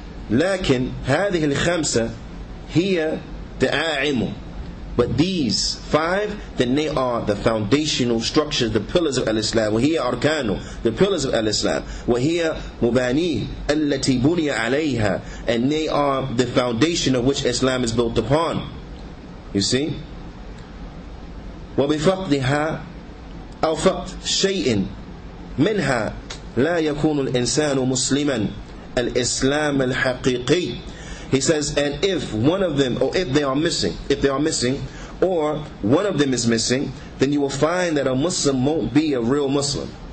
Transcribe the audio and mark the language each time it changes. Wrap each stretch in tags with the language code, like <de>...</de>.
<ar>Lakin, هذه الخمسة هي دعائم.</ar> <en>But these 5, then they are the foundational structures, the pillars of al-Islam.</en> <ar>وهي أركانه,</ar> <en>the pillars of al-Islam.</en> <ar>وهي مبانيه التي بني عليها.</ar> <en>And they are the foundation of which Islam is built upon. You see?</en> <ar>وبفقدها أو فقد شيء منها لا يكون الإنسان مسلما الإسلام الحقيقي.</ar> <en>He says, and if one of them, or if they are missing, or one of them is missing, then you will find that a Muslim won't be a real Muslim.</en>